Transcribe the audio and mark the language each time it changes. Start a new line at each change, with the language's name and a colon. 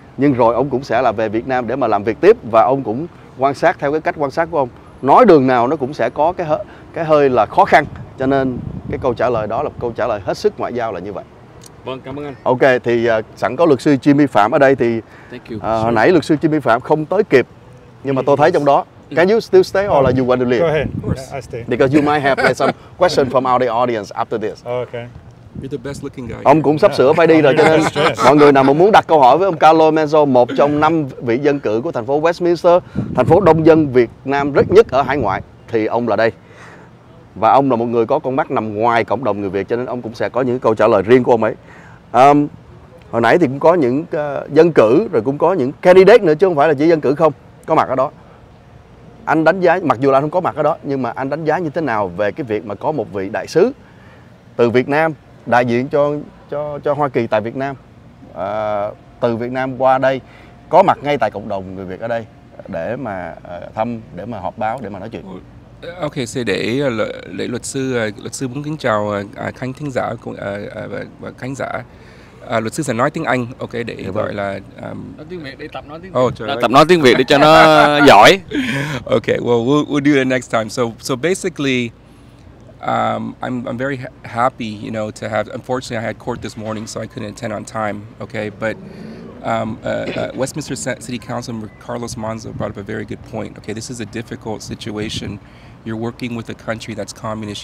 Vietnamese: Nhưng rồi ông cũng sẽ là về Việt Nam để mà làm việc tiếp, và ông cũng quan sát theo cái cách quan sát của ông. Nói đường nào nó cũng sẽ có cái hơi là khó khăn, cho nên cái câu trả lời đó là câu trả lời hết sức ngoại giao là như vậy. Vâng, cảm ơn anh. Ok, thì sẵn có luật sư Jimmy Phạm ở đây thì hồi nãy luật sư Jimmy Phạm không tới kịp, nhưng mà tôi thấy trong đó.
English: Can you still stay or you want to leave? Go ahead. Of course. Yeah, I stay. Because you might have some question from our audience after this. Oh, okay. You're the best looking guy.
Vietnamese: Ông cũng sắp sửa phải đi rồi, cho nên mọi người nào mà muốn đặt câu hỏi với ông Carlo Menzo, một trong năm vị dân cử của thành phố Westminster, thành phố đông dân Việt Nam rất nhất ở hải ngoại, thì ông là đây. Và ông là một người có con mắt nằm ngoài cộng đồng người Việt, cho nên ông cũng sẽ có những câu trả lời riêng của ông ấy. Hồi nãy thì cũng có những dân cử, rồi cũng có những candidate nữa chứ không phải là chỉ dân cử không, có mặt ở đó. Anh đánh giá, mặc dù là không có mặt ở đó, nhưng mà anh đánh giá như thế nào về cái việc mà có một vị đại sứ từ Việt Nam đại diện cho Hoa Kỳ tại Việt Nam, từ Việt Nam qua đây có mặt ngay tại cộng đồng người Việt ở đây để mà thăm, để mà họp báo, để mà nói chuyện? Ok, sẽ để luật sư muốn kính chào khán thính giả cũng và khán giả. Luật sư sẽ nói tiếng Anh, ok, để được gọi là tập nói tiếng Việt để cho nó giỏi.
English: Ok, well, we'll do it next time. So basically, I'm very happy, you know, to have. Unfortunately, I had court this morning, so I couldn't attend on time. Okay, but Westminster City Councilman Carlos Menzo brought up a very good point. Okay, this is a difficult situation. You're working with a country that's communist.